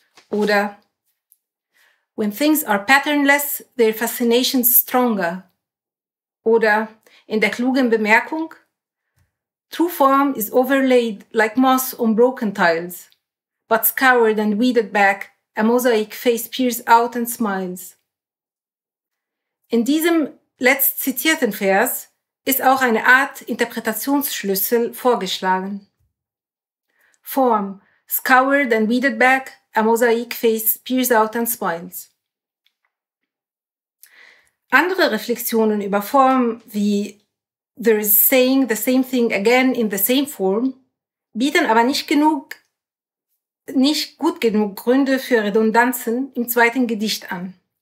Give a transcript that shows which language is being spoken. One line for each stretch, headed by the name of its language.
English: Oder when things are patternless, their fascination's stronger.
German: Oder in der klugen Bemerkung,
English: true form is overlaid like moss on broken tiles, but scoured and weeded back, a mosaic face peers out and smiles.
German: In diesem letzt zitierten Vers ist auch eine Art Interpretationsschlüssel vorgeschlagen.
English: Form, scoured and weeded back, a mosaic face peers out and smiles.
German: Andere Reflexionen über Form wie
English: there is saying the same thing again in the same form
German: bieten aber nicht gut genug Gründe für Redundanzen im zweiten Gedicht an.